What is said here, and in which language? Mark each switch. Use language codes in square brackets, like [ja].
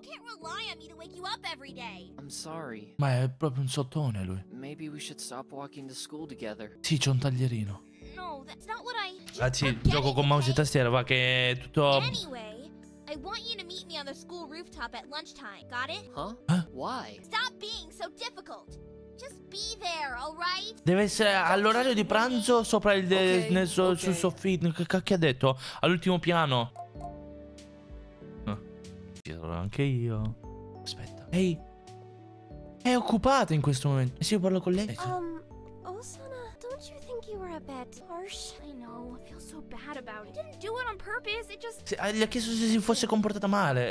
[en] Can't rely on me to wake you up every day. I'm sorry. [it] Ma è proprio un sottone lui. [en] Maybe we should stop walking to school together. [it] Sì, c'è un taglierino. [en] No, that's not what I... [it] Ragazzi, gioco con mouse e tastiera, va che è tutto... [en] Anyway, I want you to meet me on the school rooftop at lunchtime. Got it? Huh? Why? Stop being so difficult. Just be there, all right? [it] Deve essere all'orario di pranzo sopra il... sul soffitto. Che cacchio ha detto? All'ultimo piano. Anche io. Aspetta. Ehi. È occupata in questo momento. E se io parlo con lei? [en] Osana, don't you think you were a bit harsh? I know, I feel so bad about it. Didn't do it on purpose, it just... [it] Se, gli ha chiesto se si fosse comportata male.